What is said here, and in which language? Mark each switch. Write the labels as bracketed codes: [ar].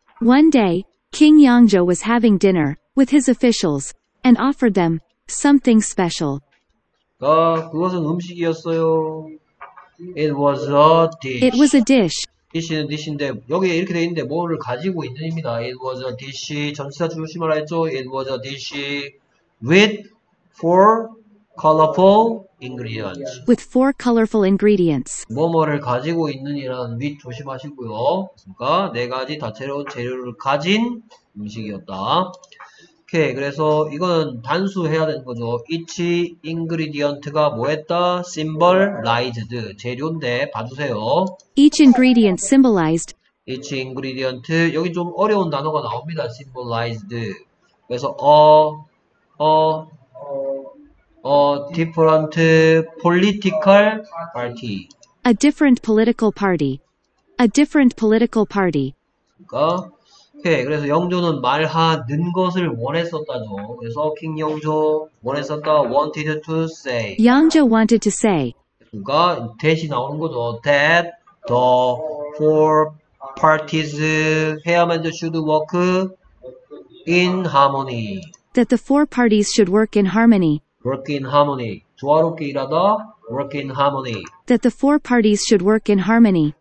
[en] One day, King Yangjo was having dinner with his officials and offered them something special. [ko] 아, 그것은 음식이었어요. [en] It was a dish. It was a dish. [ko] dish는 dish인데 여기 이렇게 돼 있는데 뭐를 가지고 있는 겁니다. [en] It was a dish. [ko] 전치사 조심하라 했죠. [en] It was a dish with four colorful ingredients. With four colorful ingredients. [ko] 뭐뭐를 가지고 있는 이란 with 조심하시고요. 그러니까 네 가지 다채로운 재료를 가진 음식이었다. 오케이. 그래서 이건 단수해야 되는 거죠. [en] Each ingredient가 뭐였다? Symbolized. [ko] 재료인데 봐주세요. [en] Each ingredient symbolized. Each ingredient. [ko] 여기 좀 어려운 단어가 나옵니다. [en] Symbolized. 그래서 a different political party. A different political party. A different political party. [ko] 그러니까 오케이. 그래서 영조는 말하는 것을 원했었다죠. 그래서 킹 영조 원했었다. [en] Wanted to say. 영조 wanted to say. [ko] 그러니까 대신 나오는 거죠. [en] That the four parties 해야만 should work in harmony. That the four parties should work in harmony. Work in harmony. [ko] 조화롭게 일하다. [en] Work in harmony. That the four parties should work in harmony.